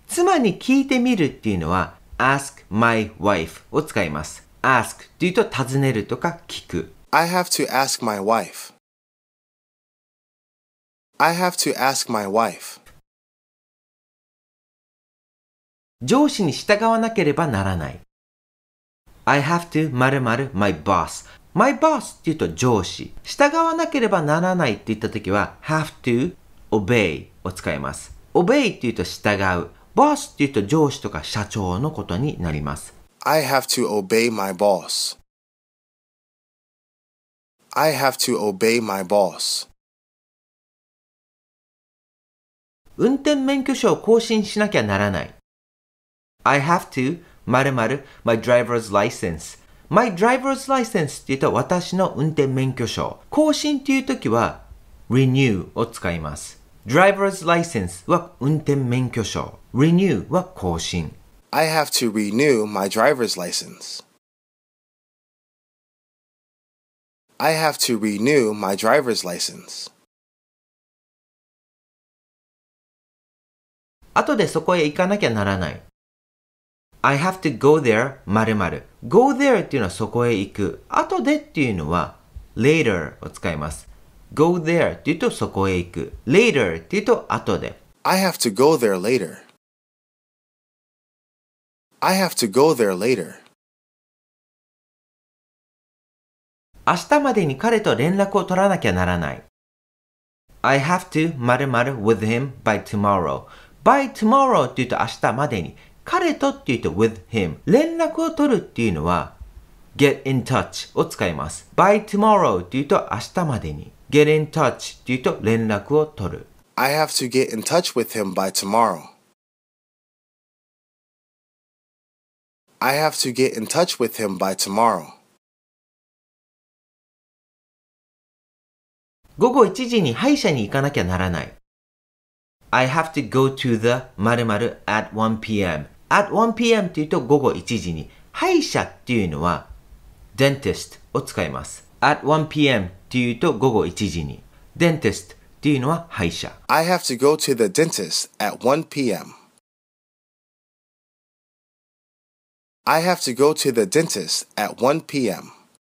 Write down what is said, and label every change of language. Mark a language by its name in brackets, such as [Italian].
[Japanese] 妻に聞いてみるっていうのは [English] ask my wife [Japanese] を使います。 ask っていうと尋ねるとか聞く。 [English] I have to ask my wife. I have to ask my wife. [Japanese] 上司に従わなければならない。 [English] I have to 〇〇 my boss. My boss [Japanese] って言うと上司。従わなければならないって言った時は [English] have to obey [Japanese] を使います。 obey って言うと従う。boss って言うと上司とか社長のことになります。 [English] I have to obey my boss.I have to obey my boss. [Japanese] 運転免許証を更新しなきゃならない。 [English] I have to 〇〇 my driver's license. My driver's license [Japanese] って言うと私の運転免許証。更新っていうときは renew を使います。 driver's license は運転免許証。 renew は更新。 [English] I have to renew my driver's license.I have to renew my driver's license. [Japanese] 後でそこへ行かなきゃならない。 [English] I have to go there 〇〇 Go there [Japanese] っていうのはそこへ行く。後でっていうのは later を使います。 [English] Go there [Japanese] っていうとそこへ行く。Later っていうと後で。 [English] I have to go there later. I have to go there later. [Japanese] 明日までに彼と連絡を取らなきゃならない。 [English] I have to 〇〇 with him by tomorrow. By tomorrow [Japanese] って言うと明日までに。彼とって言うと [English] with him。 [Japanese] 連絡を取るっていうのは [English] get in touch [Japanese] を使います。 [English] by tomorrow [Japanese] って言うと明日までに。 [English] get in touch [Japanese] って言うと連絡を取る。 [English] I have to get in touch with him by tomorrow. I have to get in touch with him by tomorrow. [Japanese] 午後1時に歯医者に行かなきゃならない。 [English] I have to go to the 〇〇 at 1pm. At 1pm [Japanese] って言うと午後1時に。歯医者っていうのは dentist を使います。 [English] At 1pm [Japanese] って言うと午後1時に。dentist っていうのは歯医者。 [English] I have to go to the dentist at 1pm. I have to go to the dentist at 1pm.